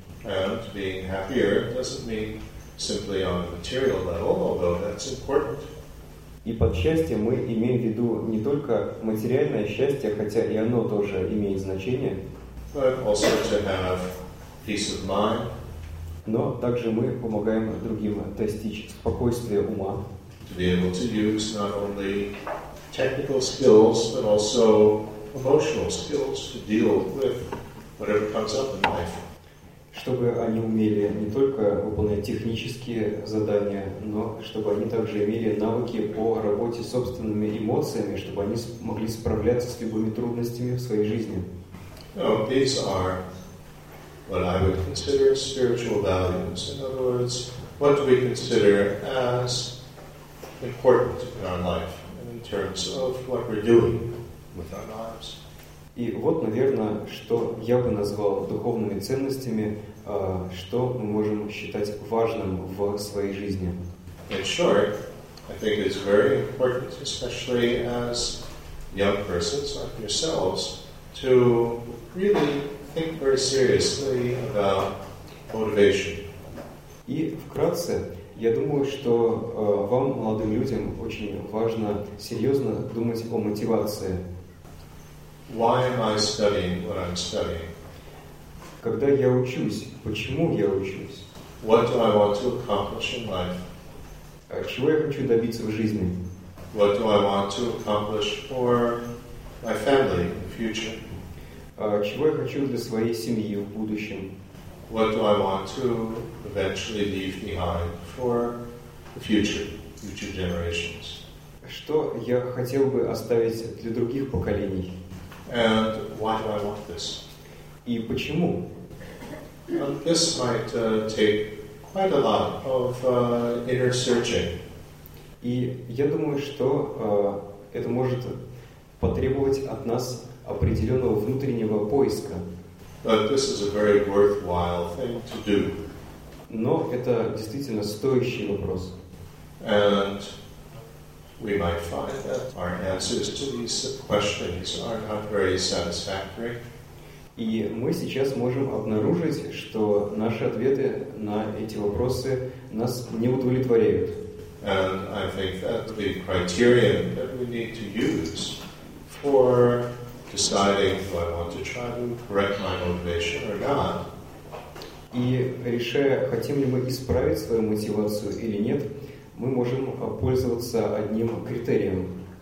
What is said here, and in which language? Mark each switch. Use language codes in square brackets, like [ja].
[en] And being happier doesn't mean simply on a material level, although that's important. [ru] И под счастьем мы имеем в виду не только материальное счастье, хотя и оно тоже имеет значение. [en] But also to have peace of mind. [ru] Но также мы помогаем другим достичь спокойствия ума. [en] To be able to use not only technical skills, but also emotional skills to deal with whatever comes up in life. [ru] Чтобы они умели не только выполнять технические задания, но чтобы они также имели навыки по работе с собственными эмоциями, чтобы они могли справляться с любыми трудностями в своей жизни. [en] These are what I would consider spiritual values. In other words, what do we consider as important in our life in terms of what we're doing with our lives? [ru] И вот, наверное, что я бы назвал духовными ценностями, что мы можем считать важным в своей жизни. [en] In short, I think it's very important, especially as young persons like yourselves, to really think very seriously about motivation. [ru] И вкратце, я думаю, что вам, молодым людям, очень важно серьезно думать о мотивации. [en] Why am I studying what I'm studying? [ru] Когда я учусь, почему я учусь? [en] What do I want to accomplish in life? [ru] Чего я хочу добиться в жизни? [en] What do I want to accomplish for my family in the future? [ru] Чего я хочу для своей семьи в будущем? [en] What do I want to eventually leave behind for the future generations? [ru] Что я хотел бы оставить для других поколений? [en] And why do I want this? [ru] И почему? [en] This might take quite a lot of inner searching. [ru] И я думаю, что это может потребовать от нас определенного внутреннего поиска. [en] But this is a very worthwhile thing to do. [ru] Но это действительно стоящий вопрос. [en] And we might find that our answers to these questions are not very satisfactory. [ru] И мы сейчас можем обнаружить, что наши ответы на эти вопросы нас не удовлетворяют. [en] And I think that the criterion that we need to use for deciding if I want to try to correct my motivation or not. [ru] И решая, хотим ли мы исправить свою мотивацию или нет, мы можем пользоваться одним критерием.